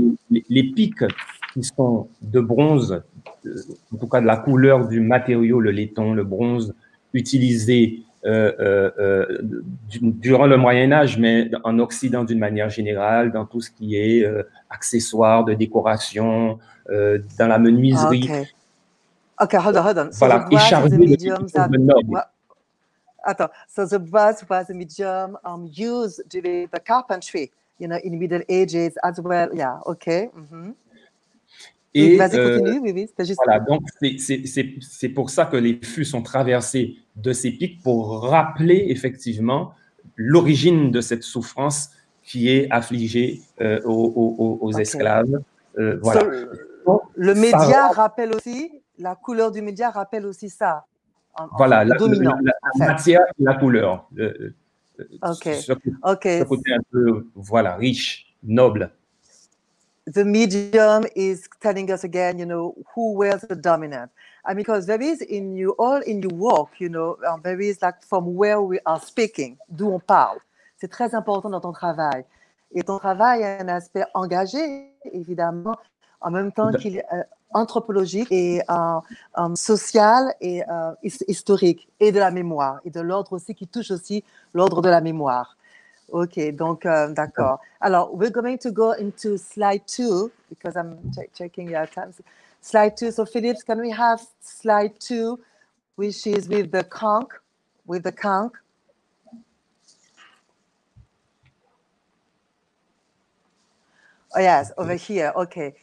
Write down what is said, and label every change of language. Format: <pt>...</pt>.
<fr>Les pics qui sont de bronze, en tout cas de la couleur du matériau, le laiton, le bronze, utilisé durant le Moyen-Âge, mais en Occident d'une manière générale, dans tout ce qui est accessoires de décoration, dans la menuiserie.</fr> <en>Okay, hold on. So voilà, the brass is a medium The brass was a medium used during the carpentry, you know, in the Middle Ages as well. Yeah, okay. Mm-hmm.</en> <fr>Et vas-y, continue, oui, c'était juste. Voilà, donc c'est pour ça que les fûts sont traversés de ces pics pour rappeler effectivement l'origine de cette souffrance qui est affligée aux esclaves. Voilà. Le média rappelle aussi. La couleur du média rappelle aussi ça. Voilà, la matière et la couleur. Ce côté un peu, voilà, riche, noble.</fr> <en>The medium is telling us again, you know, who wears the dominant. I mean, because there is in you, all in your work, you know, there is like from where we are speaking,</en> <fr>d'où on parle. C'est très important dans ton travail. Et ton travail a un aspect engagé, évidemment, en même temps qu'il est anthropologique et social et historique, et de la mémoire, et de l'ordre aussi, qui touche aussi l'ordre de la mémoire. Ok, donc d'accord.</fr> <en>Alors, we're going to go into slide 2, because I'm checking your time. Slide 2, so Philips, can we have slide 2, which is with the conch, Oh, yes, over here. Okay.</en>